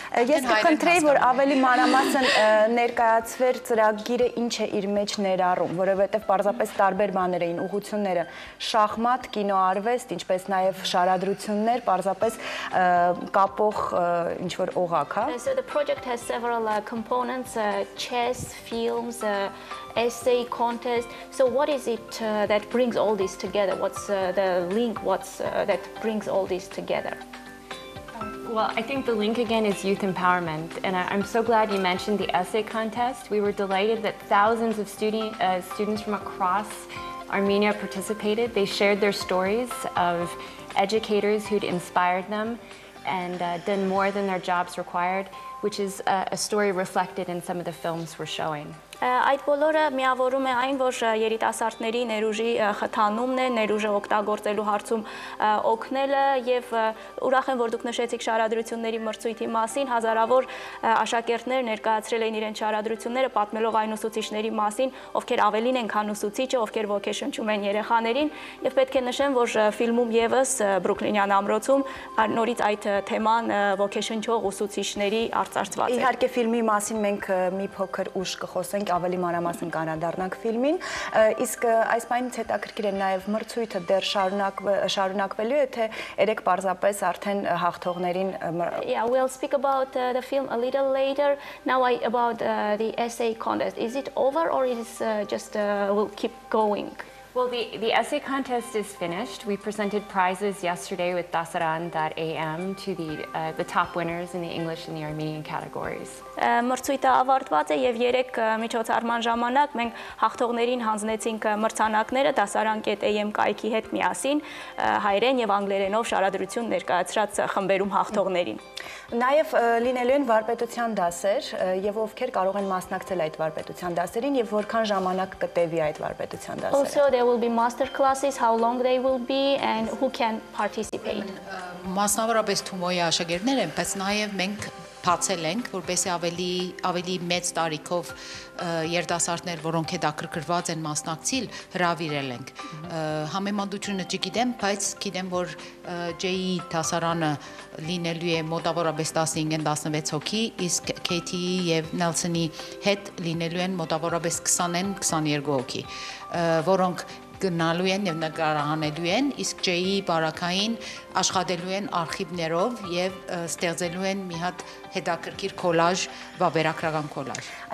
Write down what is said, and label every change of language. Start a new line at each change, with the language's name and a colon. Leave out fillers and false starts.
Armenian: է։ Ես կընտրեի, որ ավելի մանրամասն ներկայացվեր ծրագիրը, ինչ է իր մեջ ներառում, որովհետեւ պարզապես տարբեր բաներ էին, ուղղությունները, շախմատ, կինոարվեստ, ինչպես նաեւ շարադրություններ, պարզապես կապող ինչ որ օղակ, հա։
English: So the project has several components, chess, films, essay contest. So what is it that brings all this together? What's the link? What's that brings all this together? Well, I think the link again is youth empowerment, and I'm so glad you mentioned the essay contest. We were delighted that thousands of students from across Armenia participated. They shared their stories of educators who'd inspired them and done more than their jobs required, which is a story reflected in some of the films we're showing.
Armenian: Այդ բոլորը միավորում է այն, որ երիտասարդների ներուժի խթանումն է, ներուժը օգտագործելու հարցում օգնելը, եւ ուրախ եմ, որ դուք նշեցիք շարադրությունների մրցույթի մասին, հազարավոր աշակերտներ ներկայացրել են իրենց շարադրությունները, պատմելով այն ուսուցիչների մասին, ովքեր ավելին են քան ուսուցիչը, ովքեր ոգեշնչում են երեխաներին, եւ պետք է նշեմ, որ ֆիլմում եւս Բրուքլինյան ամրոցում նորից այդ թեման ոգեշնչող ուսուցիչների արծարծված է։ Իհարկե ֆիլմի մասին մենք մի փոքր ուշ կխոսենք, ասենք ավելի մանրամասն կանադառնանք ֆիլմին, իսկ այս պայմանից հետաքրքիր է նաև մրցույթը դեռ շարունակվելու է, թե երեք պարզապես արդեն հաղթողներին։
English: Yeah, we'll speak about the film a little later. Now I about the essay contest. Is it over or is just will keep going? Well, the essay contest is finished. We presented prizes yesterday with Dasaran.am to the top winners in the English and the Armenian categories.
Armenian: Մրցույթը ավարտված է եւ երեք միջոցառման ժամանակ մենք հաղթողներին հանձնեցինք մրցանակները Dasaran.am կայքի հետ միասին հայերեն եւ անգլերենով շարադրություն ներկայացրած խմբերում հաղթողներին։ Նաեւ լինելու են վարպետության դասեր եւ ովքեր կարող են մասնակցել այդ վարպետության դասերին եւ որքան ժամանակ կտևի այդ վարպետության դասերը։
English: There will be master classes, how long they will be and who can participate.
Armenian: Մասնավորապես Թումոյի աշակերտներ են, բայց նաև մենք փացել ենք, որպեսզի ավելի մեծ տարիքով երիտասարդներ, որոնք հետաքրքրված են մասնակցել, հրավիրել ենք։ Համեմատությունը չգիտեմ, բայց գիտեմ, որ J-ի դասարանը լինելու է մոտավորապես 15-16 հոգի, իսկ KT-ի եւ Nelson-ի հետ լինելու են մոտավորապես 20-22 հոգի, որոնք գնալու են եւ նկարահանելու են, իսկ J-ի բարակային աշխատելու են արխիվներով եւ ստեղծելու են մի հատ հետաքրքիր կոլաժ, վավերագրական կոլաժ։